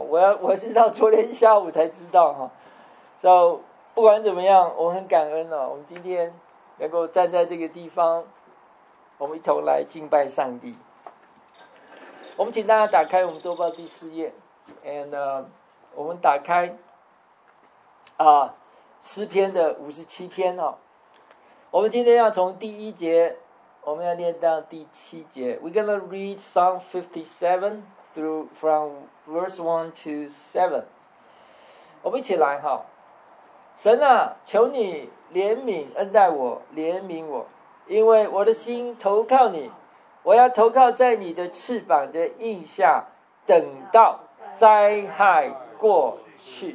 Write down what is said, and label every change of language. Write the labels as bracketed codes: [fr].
[zh] 我是到昨天下午才知道哈。所以不管怎么样，我很感恩哦，我们今天能够站在这个地方，我们一同来敬拜上帝。我们请大家打开我们周报第四页 ，and 我们打开啊。诗篇的五十七篇哦，我们今天要从第一节，我们要念到第七节。 [en] We're gonna read Psalm 57 through from verse 1 to 7。 [zh] 我们一起来哈，神啊，求你怜悯恩待我，怜悯我，因为我的心投靠你，我要投靠在你的翅膀的荫下，等到灾害过去。